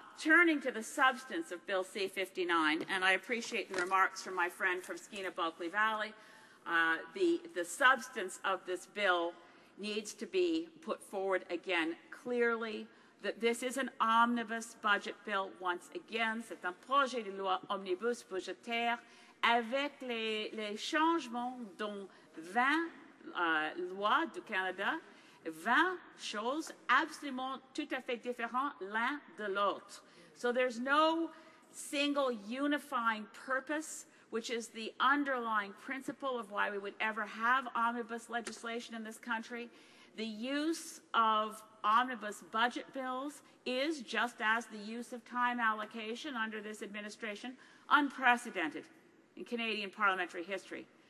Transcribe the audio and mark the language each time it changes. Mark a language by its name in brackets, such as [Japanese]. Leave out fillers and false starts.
[English] Turning to the substance of Bill C-59, and I appreciate the remarks from my friend from Skeena Bulkley Valley, the substance of this bill needs to be put forward again clearly, that this is an omnibus budget bill once again. [French] C'est un projet de loi omnibus budgétaire avec les changements dans 20 lois du Canada, 20 choses absolument tout à fait différentes l'un de l'autre. [English] So there's no single unifying purpose, which is the underlying principle of why we would ever have omnibus legislation in this country. The use of omnibus budget bills is, just as the use of time allocation under this administration, unprecedented in Canadian parliamentary history.